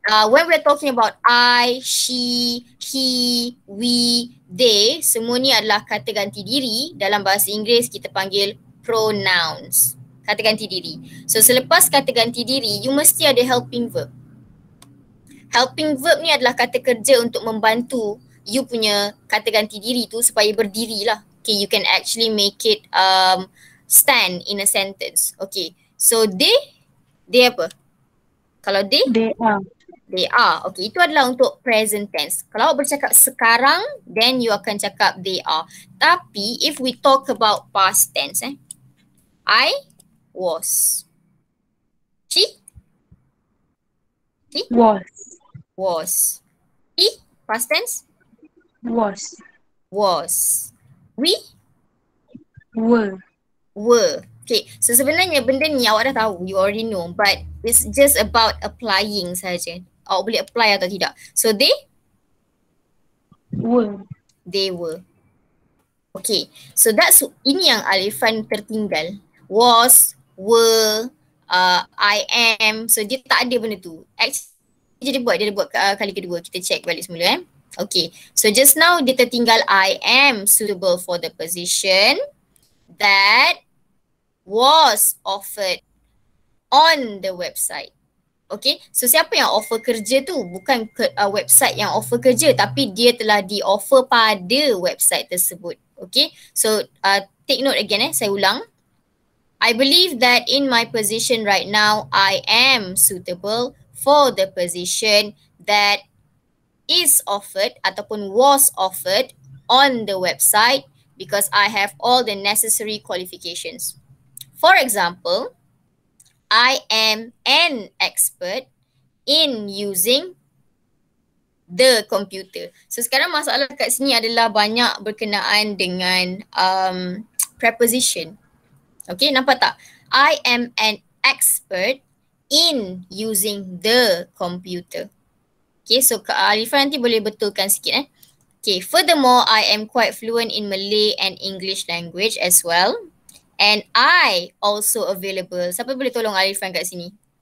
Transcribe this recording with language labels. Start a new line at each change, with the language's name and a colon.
English: When we're talking about I, she, he, we, they,
Malay: semua ni adalah kata ganti diri. Dalam bahasa Inggeris kita panggil pronouns. Kata ganti diri. So selepas kata ganti diri, you mesti ada helping verb. Helping verb ni adalah kata kerja untuk membantu you punya kata ganti diri tu supaya berdiri lah.
English: Okay, you can actually make it stand in a sentence. Okay, so they apa? Kalau they? They are.
Malay: Okay, itu adalah untuk present tense. Kalau awak bercakap sekarang, then you akan cakap
English: they are. Tapi if we talk about past tense, eh? I was. She? Was. He? Past tense? Was. We? Were. Were. Okay, so
Malay: sebenarnya benda ni awak dah tahu,
English: you already know, but it's just about applying saja.
Malay: Awak boleh apply atau tidak.
English: So they? Were. They were.
Malay: Okay, so that's, ini yang Alifan tertinggal.
English: Was, were, I am.
Malay: So dia tak ada benda tu. Actually, dia buat kali kedua. Kita check balik semula eh.
English: Okay, so just now
Malay: dia tertinggal
English: I am suitable for the position that was offered on the website.
Malay: Okay, so siapa yang offer kerja tu? Bukan website yang offer kerja, tapi dia telah di offer pada website tersebut.
English: Okay, so take note again eh,
Malay: saya ulang.
English: I believe that in my position right now, I am suitable for the position that is offered ataupun was offered on the website because I have all the necessary qualifications. For example, I am an expert in using the computer.
Malay: So sekarang masalah kat sini adalah banyak berkenaan dengan preposition. Okay, nampak tak?
English: I am an expert in using the computer. Okay, so Alifah
Malay: nanti boleh betulkan sikit eh.
English: Okay, furthermore, I am quite fluent in Malay and English language as well. And I also available.
Malay: Siapa boleh tolong Alifan kat sini?